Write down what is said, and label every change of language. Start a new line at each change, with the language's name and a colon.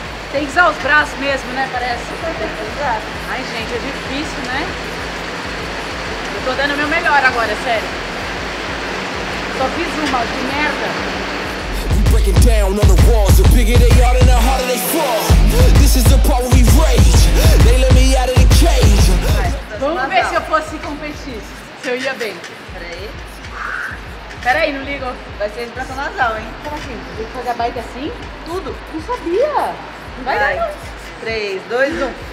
Portuguese: Tem que usar os braços mesmo, né, parece? Ai, gente, é difícil, né? Eu tô dando o meu melhor agora, sério. Só fiz uma, ó, de merda.
English: Breaking down on the walls, the bigger they are, the harder they fall. This is the power we rage. They let me out of the cage.
Portuguese: Vamos ver se eu fosse competir, se eu ia bem. Peraí, não ligo. Vai ser expressão nasal, hein? Peraí, tem que fazer a bike assim? Tudo? Não sabia. Vai, vai. 3, 2, 1.